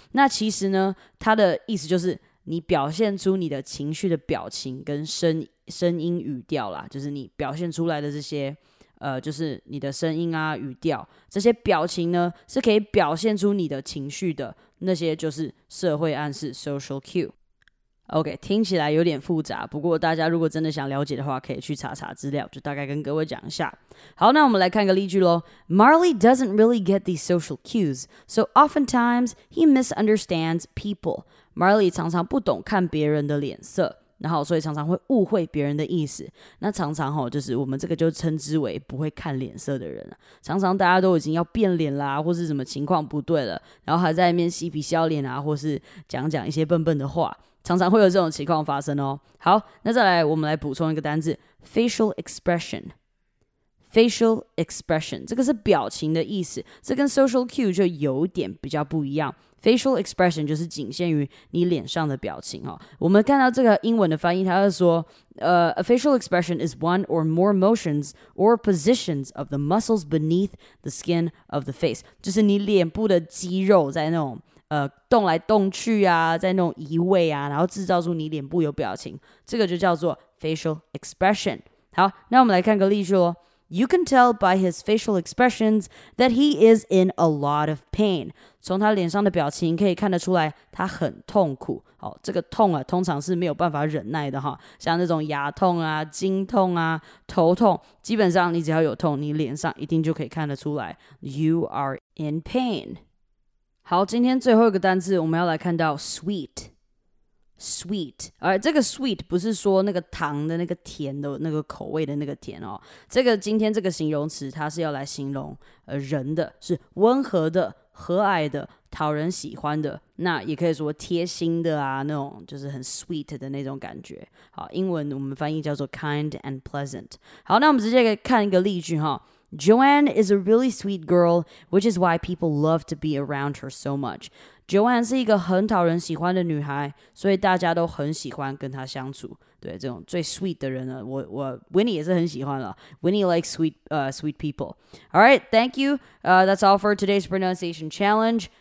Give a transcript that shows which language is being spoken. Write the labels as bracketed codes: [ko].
[zh] 那其实呢，它的意思就是你表现出你的情绪的表情跟 声音语调啦，就是你表现出来的这些就是你的声音啊语调，这些表情呢是可以表现出你的情绪的，那些就是社会暗示 social cue。 OK, 听起来有点复杂，不过大家如果真的想了解的话，可以去查查资料，就大概跟各位讲一下。好，那我们来看个例句咯。 [en] Marley doesn't really get these social cues, so oftentimes he misunderstands people. [zh] Marley 常常不懂看别人的脸色，然后所以常常会误会别人的意思。那常常就是我们这个就称之为不会看脸色的人。常常大家都已经要变脸啦，或是什么情况不对了，然后还在那边嬉皮笑脸啊，或是讲一些笨笨的话。常常会有这种情况发生哦。好，那再来我们来补充一个单字 Facial expression Facial expression 这个是表情的意思，这跟 social cue 就有点比较不一样。 Facial expression 就是仅限于你脸上的表情哦。我们看到这个英文的翻译，它是说 [en] A facial expression is one or more motions or positions of the muscles beneath the skin of the face, [zh] 就是你脸部的肌肉在那种动来动去啊，在那种移位啊，然后制造出你脸部有表情，这个就叫做 facial expression。好，那我们来看个例句咯。 [en] You can tell by his facial expressions that he is in a lot of pain. [zh] 从他脸上的表情可以看得出来他很痛苦。好，这个痛啊通常是没有办法忍耐的哈，像那种牙痛啊、筋痛啊、头痛，基本上你只要有痛，你脸上一定就可以看得出来 [en] You are in pain。 [zh] 好，今天最后一个单字我们要来看到 sweet sweet。而这个 sweet 不是说那个糖的那个甜的那个口味的那个甜哦，这个今天这个形容词它是要来形容人的，是温和的、和蔼的、讨人喜欢的，那也可以说贴心的啊，那种就是很 sweet 的那种感觉。好，英文我们翻译叫做 [en] kind and pleasant。 [zh] 好，那我们直接来看一个例句哦。 [en] Joanne is a really sweet girl, which is why people love to be around her so much. [zh] Joanne 是一个很讨人喜欢的女孩，所以大家都很喜欢跟她相处。对，这种最 sweet 的人呢，我 Winnie 也是很喜欢了。 [en] Winnie likes sweet, sweet people. All right, thank you. That's all for today's pronunciation challenge.